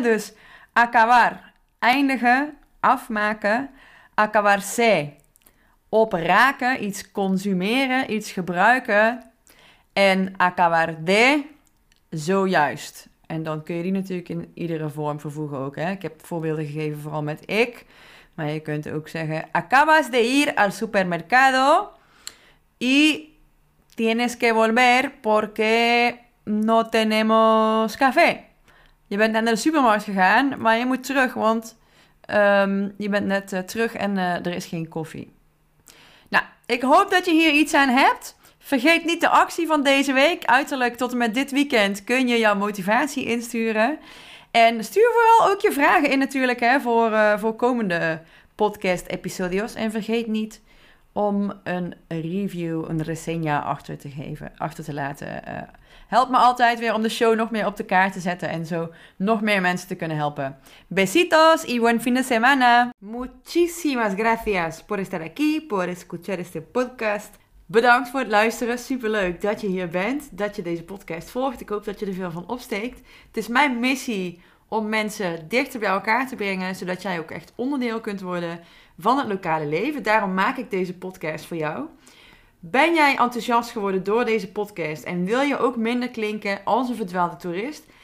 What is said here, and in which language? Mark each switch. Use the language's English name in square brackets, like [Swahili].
[Dutch] Dus acabar, eindigen, afmaken. Acabarse, opraken, iets consumeren, iets gebruiken. En acabar de, zojuist. En dan kun je die natuurlijk in iedere vorm vervoegen ook. Hè? Ik heb voorbeelden gegeven vooral met ik. Maar je kunt ook zeggen, [Spanish] acabas de ir al supermercado y tienes que volver porque no tenemos café. [Dutch] Je bent net naar de supermarkt gegaan, maar je moet terug, want je bent net terug en er is geen koffie. Nou, ik hoop dat je hier iets aan hebt. Vergeet niet de actie van deze week. Uiterlijk tot en met dit weekend kun je jouw motivatie insturen. En stuur vooral ook je vragen in natuurlijk hè, voor komende podcast-episodios. En vergeet niet om een review, een reseña achter te laten. Help me altijd weer om de show nog meer op de kaart te zetten en zo nog meer mensen te kunnen helpen. [Spanish] Besitos y buen fin de semana. Muchísimas gracias por estar aquí, por escuchar este podcast. [Dutch] Bedankt voor het luisteren. Superleuk dat je hier bent, dat je deze podcast volgt. Ik hoop dat je er veel van opsteekt. Het is mijn missie om mensen dichter bij elkaar te brengen, zodat jij ook echt onderdeel kunt worden van het lokale leven. Daarom maak ik deze podcast voor jou. Ben jij enthousiast geworden door deze podcast en wil je ook minder klinken als een verdwaalde toerist?